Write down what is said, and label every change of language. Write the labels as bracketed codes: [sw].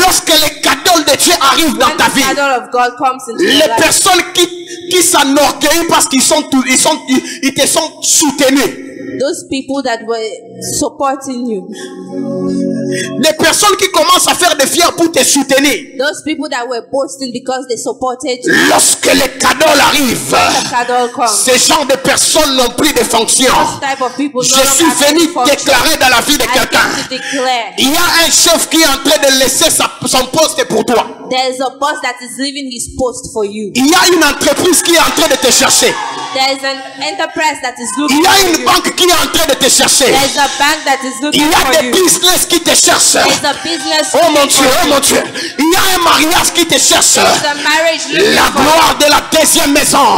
[fr] lorsque les cadeaux de Dieu arrivent dans ta vie, [en] of God comes into [fr] les [en] life, [fr] personnes qui s'enorgueillent parce qu'ils sont tous, ils te sont soutenus. [en] Those people that were supporting you. [fr] Les personnes qui commencent à faire des fiers pour te soutenir. [en] Those people that were boasting because they supported you. [fr] Lorsque les cadeaux arrivent. [en] When the cadeau comes. [fr] Ces gens de personnes n'ont plus de fonction. [en] Those type of people [fr] je suis venu déclarer dans la vie de quelqu'un. Il y a un chef qui est en train de laisser son poste pour toi. [en] There's a boss that is leaving his post for you. [fr] Il y a une entreprise qui est en train de te chercher. [en] There's an enterprise that is looking for [fr] you. Il y a une [en] you. [fr] Banque qui est en train de te chercher. [en] There's a bank that is looking for you. [fr] Il y a des business qui te cherchent. [en] There's a business. [fr] Oh mon Dieu, oh mon Dieu. Il y a un mariage qui te cherche. [en] There's a marriage looking [fr] la [en] for you. [fr] La gloire de la deuxième maison.